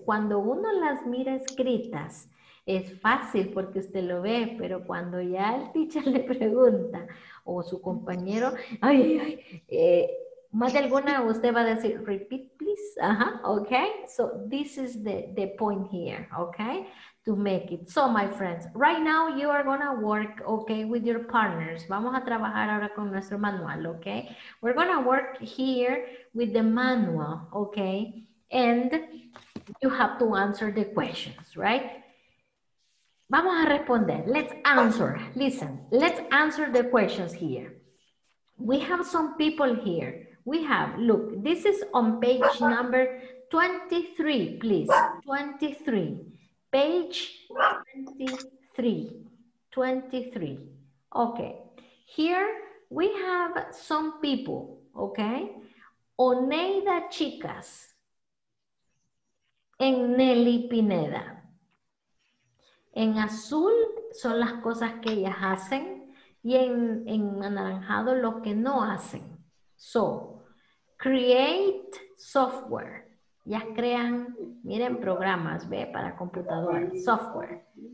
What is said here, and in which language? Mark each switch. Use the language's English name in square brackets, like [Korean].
[Spanish] Cuando uno las mira escritas, es fácil porque usted lo ve, pero cuando ya el teacher le pregunta, o su compañero, ay, ay, ay, más de alguna usted va a decir, [English] repeat, please. Ajá, okay. So, this is the point here, okay? To make it. So, my friends, right now you are going to work, okay, with your partners. [Spanish] Vamos a trabajar ahora con nuestro manual, okay? [English] We're going to work here with the manual, okay? And you have to answer the questions, right? [Spanish] Vamos a responder. [English] Let's answer. Listen, let's answer the questions here. We have some people here. We have, look, this is on page number 23, please, 23, page 23, 23, okay. Here we have some people, okay, Oneida Chicas and Nelly Pineda. [Spanish] En azul son las cosas que ellas hacen y en anaranjado lo que no hacen. [English] So, create software. [Spanish] Ya crean, miren, programas, ve, para computador, software.